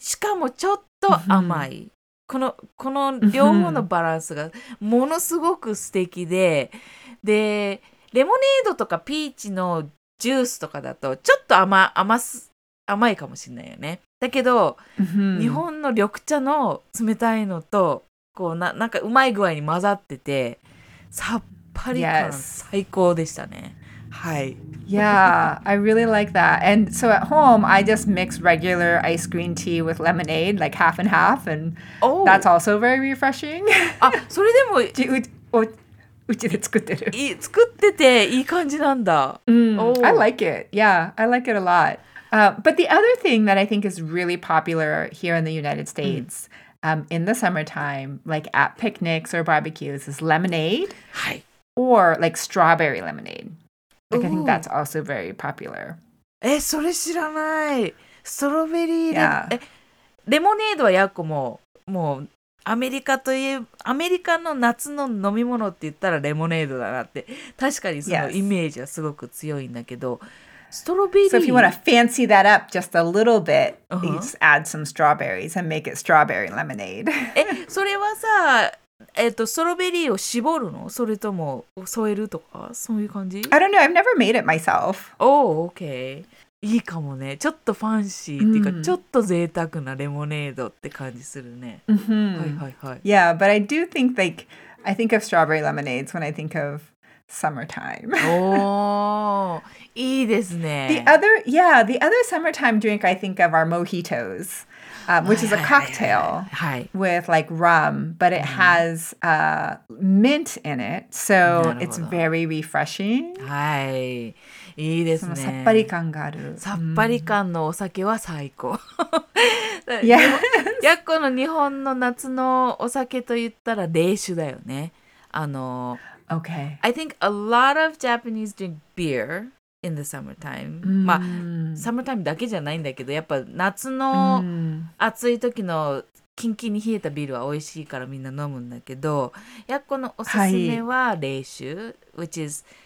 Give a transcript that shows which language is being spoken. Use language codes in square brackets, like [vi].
[ja] しかもちょっと甘い、mm-hmm. この両方のバランスがものすごく素敵で、で、レモネードとかピーチのジュースとかだとちょっと甘いかもしれないよね。だけど、mm-hmm. 日本の緑茶の冷たいのとこう なんかうまい具合に混ざってて、さっぱり感最高でしたね。 [en] Yes. [ja] はい。 [en] Yeah, I really like that. And so at home, I just mix regular ice green tea with lemonade, like half and half, and that's also very refreshing. [ja] あ、それでもうちで作ってる。作ってていい感じなんだ。 [en] I like it. Yeah, I like it a lot. But the other thing that I think is really popular here in the United States、in the summertime, like at picnics or barbecues, is lemonade. [ja] はい。 [en] Or like strawberry lemonade. Like, I think that's also very popular. [ja] え、それ知らない。ストロベリーレ、レモネードはやっこも、もうアメリカといえアメリカの夏の飲み物って言ったらレモネードだなって確かにそのイメージはすごく強いんだけど、ストロベリー。 [en] So if you want to fancy that up just a little bit,、uh-huh. you just add some strawberries and make it strawberry lemonade. [ja] え、それはさ、ストロベリーを絞るの？それとも添えるとかそういう感じ？ [en] I don't know. I've never made it myself. Oh, okay. [ja] いいかもね。ちょっとファンシーっていうか、ちょっと贅沢なレモネードって感じするね。はいはいはい。 [en] Yeah, but I do think like, I think of strawberry lemonades when I think of summertime. [ja] おー、いいですね。 [en] The other summertime drink I think of are mojitos, which is a cocktail with like rum, but it has mint in it, so it's very refreshing. [ja] はい。いいですね。さっぱり感がある。さっぱり感のお酒は最高。 [en] Yes. [ja] やっこの日本の夏のお酒と言ったら冷酒だよね。 [en] Okay. I think a lot of Japanese drink beer in the summertime. [ja] まあ、summertime だけじゃないんだけど、やっぱ夏の暑い時のキンキンに冷えたビールは美味しいからみんな飲むんだけど、やっこのおすすめは冷酒、はい、 [en] which is...